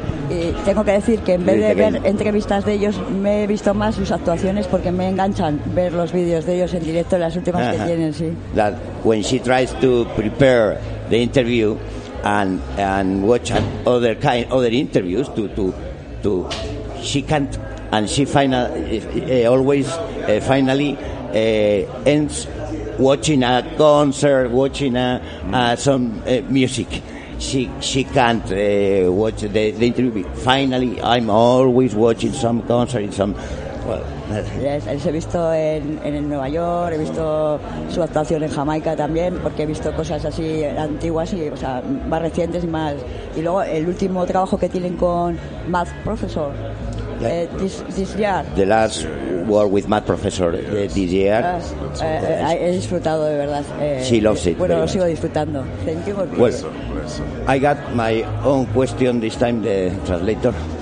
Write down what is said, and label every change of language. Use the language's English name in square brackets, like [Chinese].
[Spanish] Y tengo que decir que en vez de ver entrevistas de ellos, me he visto más sus actuaciones porque me enganchan ver los vídeos de ellos en directo, las últimas que tienen, sí. [English] That when she tries to prepare the interview and watch other interviews to she can't and she finally ends watching a concert, watching some music. She can't watch the interview. Finally, I'm always watching some concert in some. [Spanish] Yes, he visto en Nueva York, he visto su actuación en Jamaica también, porque he visto cosas así antiguas y, o sea, más recientes y más. Y luego el último trabajo que tienen con Math Professor. [English] This year. The last war with Matt Professor this year. [Spanish] He disfrutado de verdad. [English] She loves it. [Spanish] Bueno, lo sigo disfrutando. [English] Thank you. Well, I got my own question this time, the translator.